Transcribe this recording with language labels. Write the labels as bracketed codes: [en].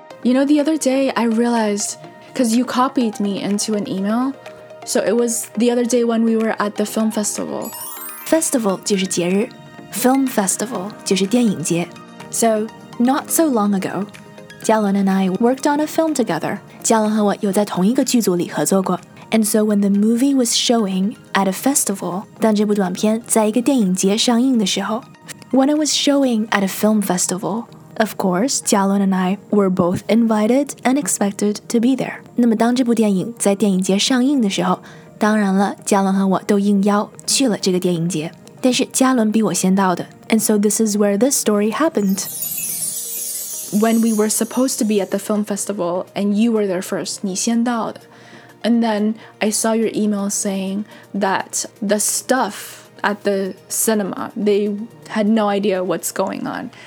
[en] You know, the other day I realized, because you copied me into an email, so it was the other day when we were at the film festival. [zh] Festival 就是节日 ,film festival 就是电影节。 [en] So, not so long ago, 嘉伦 and I worked on a film together. [zh] 嘉伦和我有在同一个剧组里合作过。 [en] And so when the movie was showing at a festival, [zh] 当这部短片在一个电影节上映的时候 [en] when it was showing at a film festival,Of course, 嘉伦 and I were both invited and expected to be there. [zh] 那么当这部电影在电影节上映的时候，当然了，嘉伦和我都应邀去了这个电影节。但是嘉伦比我先到的。 [en] And so this is where this story happened. When we were supposed to be at the film festival, and you were there first, [zh] 你先到的。 [en] And then I saw your email saying that the stuff... at the cinema, they had no idea what's going on.